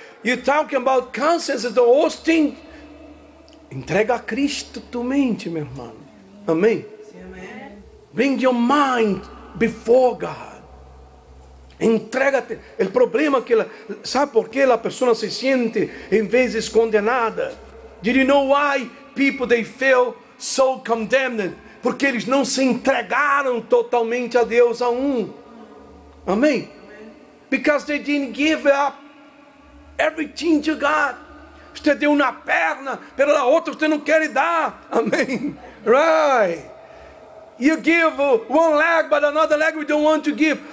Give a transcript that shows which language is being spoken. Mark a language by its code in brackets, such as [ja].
[en] You're talking about conscience, the worst thing. [pt] Entrega a Cristo tu mente, meu irmão. Amém. [en] Bring your mind before God. [pt] Entrega-te. O problema que ela, sabe por que a pessoa se sente em vezes condenada? [en] Did you know why people they feel so condemned? [pt] Porque eles não se entregaram totalmente a Deus a um. Amém. [en] Because they didn't give up everything to God. [pt] Você deu uma perna, pela outra você não quer dar. Amém. [en] Right. You give one leg, but another leg we don't want to give.